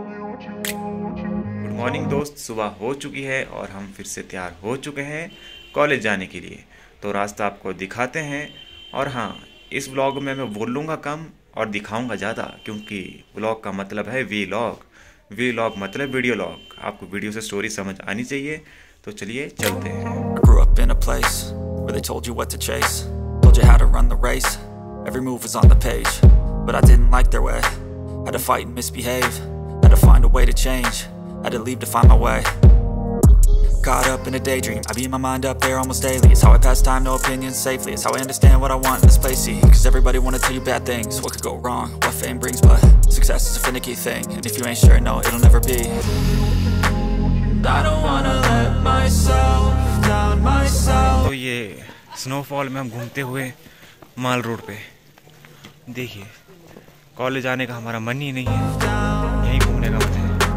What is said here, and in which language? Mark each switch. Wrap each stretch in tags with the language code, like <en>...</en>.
<hi>Good morning दोस्त, सुबह हो चुकी है और हम फिर से तैयार हो चुके हैं कॉलेज जाने के लिए। तो रास्ता आपको दिखाते हैं। और हाँ, इस व्लॉग में मैं बोलूँगा कम और दिखाऊंगा ज़्यादा, क्योंकि व्लॉग का मतलब है वीलॉग। वीलॉग मतलब वीडियो लॉग। आपको वीडियो से स्टोरी समझ आनी चाहिए, तो चलिए चलते हैं।</hi> <en>I grew up in a place where they told you what to chase, told you how to run the race, every move was on the page. But I didn't like their way, had to fight and misbehave, had to find a way to change, had to leave to find my way. Caught up in a daydream, I beat my mind up there almost daily. It's how I pass time, no opinions safely. It's how I understand what I want in this place, see. Cause everybody wanna tell you bad things, what could go wrong, what fame brings. But success is a finicky thing, and if you ain't sure, no, it'll never be. I don't wanna let myself down myself.</en> <hi>तो ये snowfall में हम घूमते हुए माल road पे, देखिए college जाने का हमारा मन ही नहीं है, यहीं घूमने का मन है।</hi>